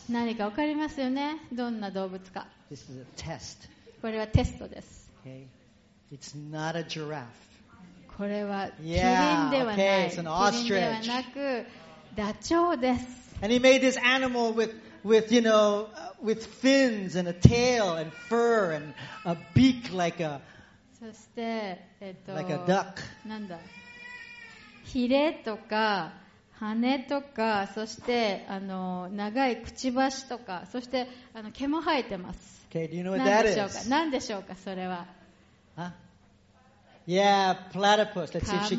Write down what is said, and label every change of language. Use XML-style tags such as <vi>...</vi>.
<ja>何か分かりますよね、どんな動物か。</ja> <en>This is a test.</en> <ja>これはテストです。</ja> <en>Okay. It's not a giraffe.</en> <ja>これはキリンではない。</ja> <en>Yeah, okay. It's an ostrich.</en> <ja>キリンではなくダチョウです。</ja> <en>And he made this animal with fins and a tail and fur and a beak like a...</en> <ja>そして、</ja> <en>like a duck.</en> <ja>なんだ、ヒレとか羽とか、そして長いくちばしとか、そして毛も生えてます。</ja> <en>Okay, do you know what that is?</en> <ja>何でしょうか、それは。</ja> <en>Huh? Yeah, platypus. Let's see if she gets this.</en>